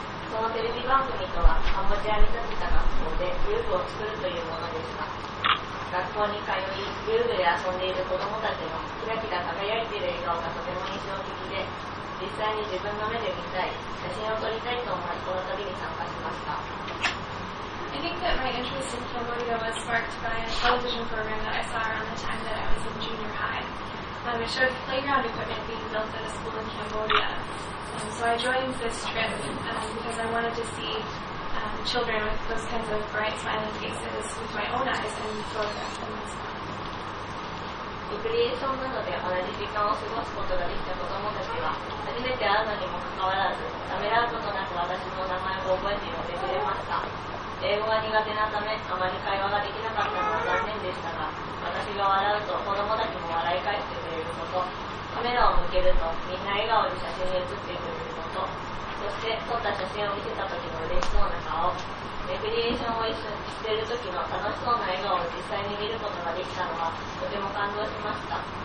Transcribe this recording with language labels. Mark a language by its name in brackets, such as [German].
[Japanese] そのテレビ番組とは、カンボジアに建てた学校で遊具を作るというものですが、学校に通い、遊具で遊んでいる子どもたちのキラキラ輝いている笑顔がとても印象的で、実際に自分の目で見たい、写真を撮りたいと思い、この旅に参加しました。 [English] I think that my interest in Cambodia was sparked by a television program that I saw around the time that I was in junior high. It showed playground equipment being built at a school in Cambodia. So I joined this trip because I wanted to see children with those kinds of bright, smiling faces with my own eyes and photograph them as well. [Japanese] リクリエーションなどで同じ時間を過ごすことができた子どもたちは初めて会うのにもかかわらずためらうことなく私の名前を覚えて呼んでくれました。英語が苦手なためあまり会話ができなかったのは残念でしたが、私が笑うと子どもたちも笑い返してくれること、カメラを向けるとみんな笑顔で写真に写ってくれること、そして撮った写真を見せた時の嬉しそうな顔、レクリエーションを一緒にしている時の楽しそうな笑顔を実際に見ることができたのはとても感動しました。